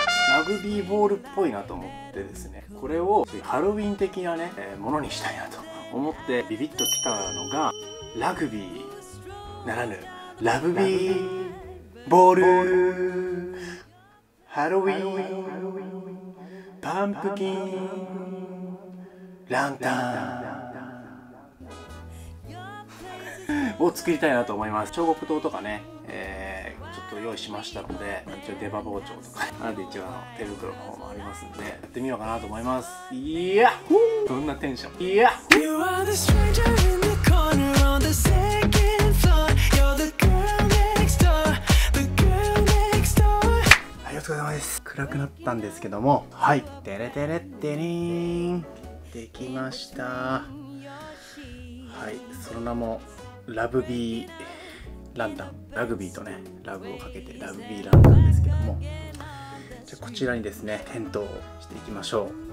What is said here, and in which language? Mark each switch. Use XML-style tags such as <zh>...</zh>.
<ja>ラグビーボールっぽいなと思ってですね、これをハロウィン的なね、ものにしたいなと思ってビビッときたのが、ラグビーならぬラグビーボール、ハロウィン、パンプキン、ランタンを作りたいなと思います。彫刻刀とかね、ちょっと用意しましたので、一応出刃包丁とか、あと一応手袋の方もありますんで、やってみようかなと思います。いやっほー、どんなテンション、いやっほー。</ja> <en>You are the stranger in the corner on the second floor. You're the girl next door. The girl next door.</en> <ja>はい、お疲れ様です。暗くなったんですけども、はい、テレテレテリーン、できました。はい、その名もラグビーランタン、ラグビーとね、ラグをかけてラグビーランタンですけども、じゃあこちらにですね、点灯をしていきましょう。</ja>